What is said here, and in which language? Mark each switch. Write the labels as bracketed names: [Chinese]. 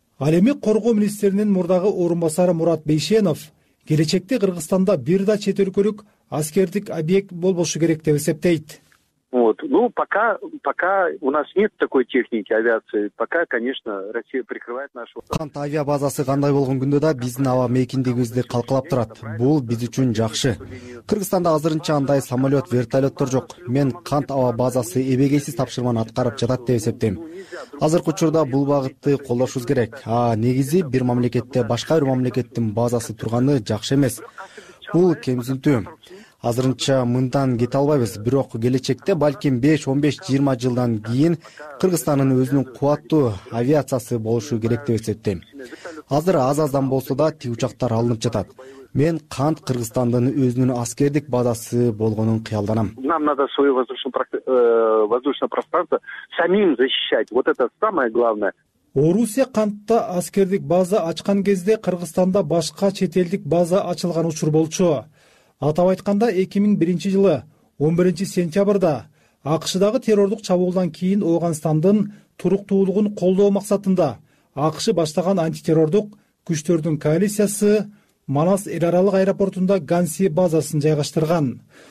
[Kyrgyz] Ал эми коргоо министринин мурдагы орун басары Мурат Бейшенов келечекте Кыргызстанда бир да чет өлкөлүк аскердик объект болбошу керек деп эсептейт. [Russian] Вот. Ну, пока у нас нет такой техники авиации. Пока, конечно, Россия прикрывает нашу... [Kyrgyz] Кант авиабазасы кандай болгон күндө да биздин аба мейкиндигибизди калкалап турат. Бул биз үчүн жакшы. Кыргызстанда азырынча андай самолет, вертолеттор жок. Мен Кант авиабазасы эбегейсиз тапшырманы аткарып жатат деп эсептейм. Азыркы учурда бул багытты колдошубуз керек. А негизи бир мамлекетте башка бир мамлекеттин базасы турганы жакшы эмес. Бул кемсинтүү. Азырынча мындан кете албайбыз, бирок келечекте балким 5-15-20 жылдан кийин Кыргызстандын өзүнүн кубаттуу авиациясы болушу керек деп эсептейм. Азыр аз-аздан болсо да тиучактар алынып жатат. Мен Кант Кыргызстандын өзүнүн аскердик базасы болгонун кыялданам. [Russian] Нам надо свое воздушное пространство самим защищать. Вот это самое главное. [Kyrgyz] Орусия Кантта аскердик база ачкан кезде Кыргызстанда башка чет элдик база ачылган учур болчу. Атап айтканда 2001 жылы 11 сентябрда АКШ-дагы террордук чабуулдан кийин Ооганстандын туруктуулугун колдоо максатында АКШ баштаган антитеррордук күчтөрдүн коалициясы Манас эл аралык аэропортунда Ганси базасын жайгаштырган.